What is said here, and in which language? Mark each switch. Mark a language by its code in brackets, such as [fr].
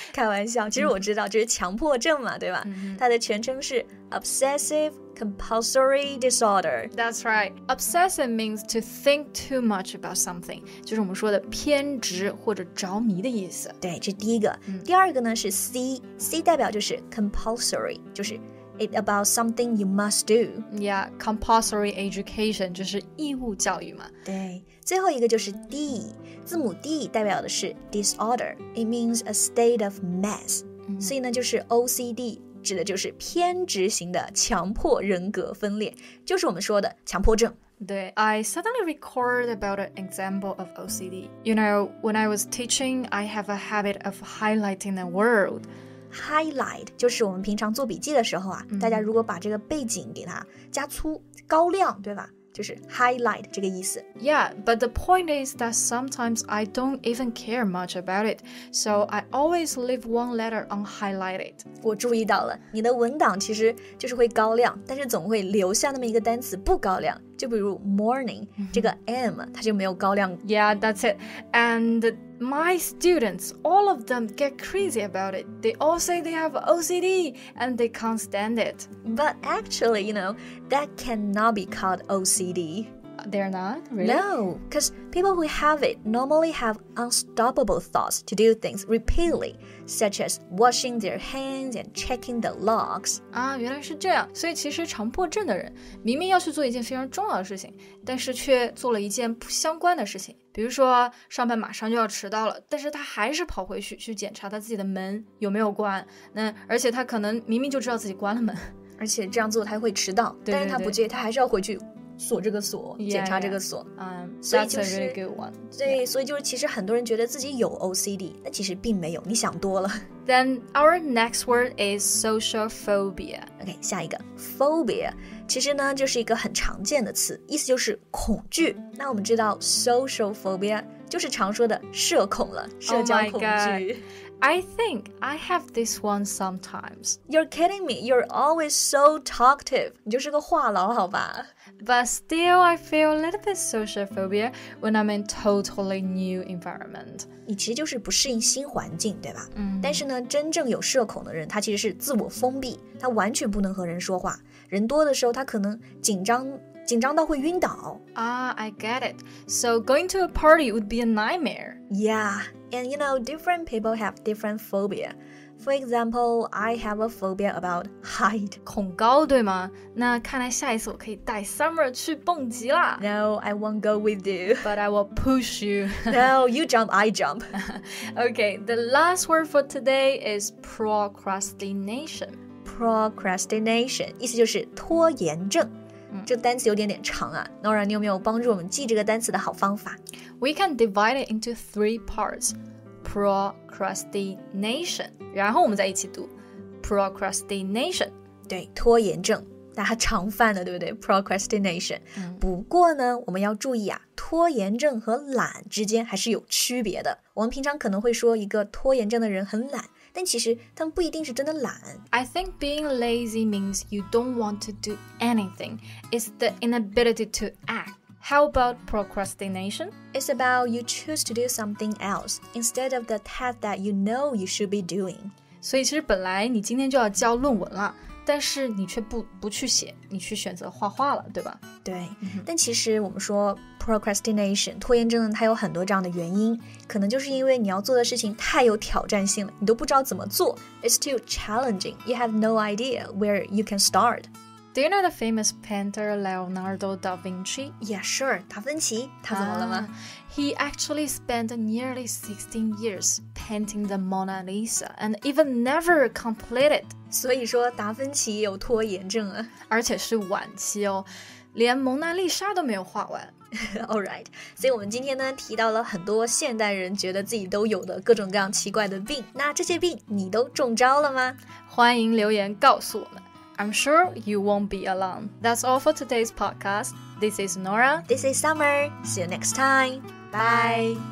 [zh] 开玩笑，其实我知道就是强迫症嘛，对吧？它的全称是 Obsessive Compulsory Disorder. [en] That's right. Obsessive means to think too much about something. [zh] 就是我们说的偏执或者着迷的意思。对，这第一个。第二个呢是 C. [en] C [zh] 代表就是 [en] compulsory, 就是It about something you must do. Yeah, compulsory education, [zh] 就是义务教育嘛。对，最后一个就是 D, 字母 D 代表的是 disorder. [en] It means a state of mess. [zh] 所以呢就是 OCD, 指的就是偏执型的强迫人格分裂，就是我们说的强迫症。 [en] 对， I suddenly recalled about an example of OCD. You know, when I was teaching, I have a habit of highlighting the word. [zh] Highlight 就是我们平常做笔记的时候啊，大家如果把这个背景给它加粗高亮，对吧，就是 highlight 这个意思。 [en] Yeah, but the point is that sometimes I don't even care much about it, so I always leave one letter unhighlighted. [zh] 我注意到了，你的文档其实就是会高亮，但是总会留下那么一个单词不高亮，就比如 morning, 这个 M 它就没有高亮。 [en] Yeah, that's it. And my students, all of them get crazy about it. They all say they have OCD and they can't stand it. But actually, you know, that cannot be called OCD. They're not? Really? No, because people who have it normally have unstoppable thoughts to do things repeatedly, such as washing their hands and checking the logs. [zh] 原来是这样。所以其实强迫症的人明明要去做一件非常重要的事情，但是却做了一件不相关的事情。比如说上班马上就要迟到了，但是他还是跑回去检查他自己的门有没有关。那而且他可能明明就知道自己关了门，而且这样做他会迟到。对对对，但是他不介意，他还是要回去锁这个锁。 [en] yeah, [zh] 检查这个锁。 [en] That's a really good one. 对、yeah. [zh] 所以就是其实很多人觉得自己有 OCD, 但其实并没有，你想多了。 [en] Then our next word is social phobia. [zh] OK, 下一个 phobia 其实呢就是一个很常见的词，意思就是恐惧。那我们知道 social phobia 就是常说的社恐了，社交恐惧。 [en] Oh my god, I think I have this one sometimes. You're kidding me. You're always so talkative. [zh] 你就是个话痨好吧。 [en] But still, I feel a little bit social phobia when I'm in totally new environment. [zh] 你其实就是不适应新环境，对吧？嗯。但是呢，真正有社恐的人，他其实是自我封闭，他完全不能和人说话。人多的时候，他可能紧张到会晕倒。 [en] Ah, I get it. So going to a party would be a nightmare. Yeah, and you know, different people have different phobia. For example, I have a phobia about height. [zh] 恐高对吗？那看来下一次我可以带 Summer 去蹦极啦。 [en] No, I won't go with you. But I will push you. No, you jump, I jump. Okay, the last word for today is procrastination. [zh] Procrastination, 意思就是拖延症。这个单词有点点长啊 Nora, 你有没有帮助我们记这个单词的好方法 [en] We can divide it into three parts Procrastination [zh] 然后我们再一起读 [en] Procrastination [zh] 对拖延症那它常犯的对不对 Procrastination、嗯、不过呢我们要注意啊拖延症和懒之间还是有区别的我们平常可能会说一个拖延症的人很懒但其实他们不一定是真的懒。 [en] I think being lazy means you don't want to do anything. It's the inability to act. How about procrastination? It's about you choose to do something else instead of the task that you know you should be doing. [zh] 所以其实本来你今天就要交论文了但是你却 不去写你去选择画画了对吧对、嗯、但其实我们说 procrastination 拖延症它有很多这样的原因可能就是因为你要做的事情太有挑战性了你都不知道怎么做 [en] It's too challenging You have no idea where you can start Do you know the famous painter Leonardo da Vinci? Yeah sure [zh] 达芬奇他怎么了吗、 [en] He actually spent nearly 16 years painting the Mona Lisa and even never completed [zh] 所以说达芬奇也有拖延症啊而且是晚期哦连蒙娜丽莎都没有画完 Alright 所以我们今天呢提到了很多现代人觉得自己都有的各种各样奇怪的病那这些病你都中招了吗欢迎留言告诉我们 [en] I'm sure you won't be alone That's all for today's podcast This is Nora This is Summer See you next time Bye